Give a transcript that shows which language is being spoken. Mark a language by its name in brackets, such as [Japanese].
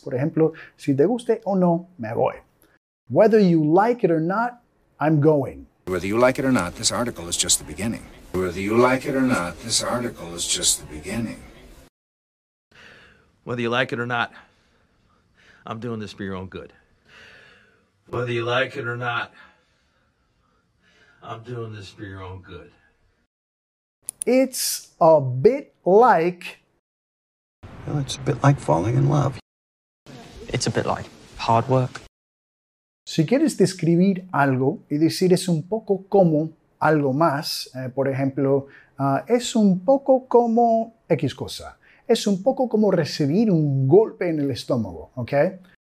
[Spanish] Por ejemplo, si te guste o no, me voy. [English] Whether you like it or not, I'm going. Whether you like it or not, this article is just the beginning. Whether you like it or not, this article is just the beginning. Whether you like it or not, I'm doing this for your own good. Whether you like it or not, I'm doing this for your own good. It's a bit like... Well, it's a bit like falling in love. It's a bit like hard work. [Spanish] Si quieres describir algo y decir es un poco como algo más, por ejemplo, es un poco como X cosa. Es un poco como recibir un golpe en el estómago, ¿ok?